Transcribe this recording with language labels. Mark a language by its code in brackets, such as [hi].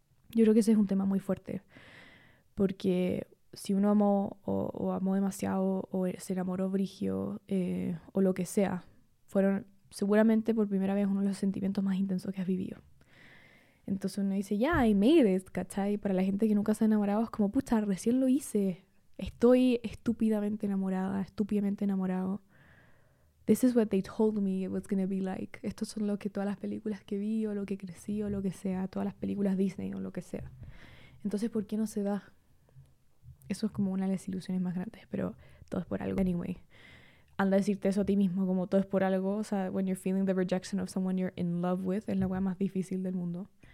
[es] Yo creo que ese es un tema muy fuerte, porque si uno amó o amó demasiado o se enamoró brigio o lo que sea, fueron seguramente por primera vez uno de los sentimientos más intensos que has vivido. Entonces uno dice, ya, [en] I made it, [es] ¿cachai? Para la gente que nunca se ha enamorado es como, pucha, recién lo hice, estoy estúpidamente enamorada, estúpidamente enamorado. [en] This is what they told me it was going to be like. [es] Estos son lo que todas las películas que vi, o lo que crecí, o lo que sea. Todas las películas Disney, o lo que sea. Entonces, ¿por qué no se da? Eso es como una de las ilusiones más grandes, pero todo es por algo. Anyway, anda a decirte eso a ti mismo, como todo es por algo. O sea, [en] when you're feeling the rejection of someone you're in love with, [es] es la wea más difícil del mundo.